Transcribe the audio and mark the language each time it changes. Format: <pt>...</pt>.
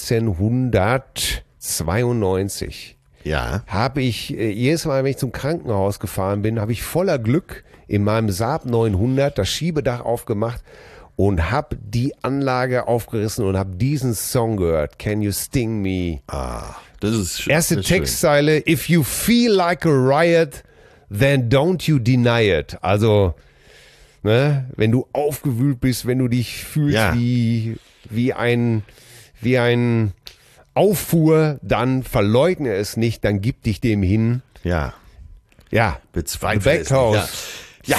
<de>1992. Ja. Habe ich, jedes Mal, wenn ich zum Krankenhaus gefahren bin, habe ich voller Glück in meinem Saab 900 das Schiebedach aufgemacht und habe die Anlage aufgerissen und habe diesen Song gehört.</de> <en>Can you sting me?</en> <de>Ah, das ist schön. Erste Textzeile.</de> <en>If you feel like a riot, then don't you deny it.</en> <de>Also, ne, wenn du aufgewühlt bist, wenn du dich fühlst wie ein Auffuhr, dann verleugne es nicht, dann gib dich dem hin. Ja. Ja. Bezweifle es. Backhouse. Ja.</de>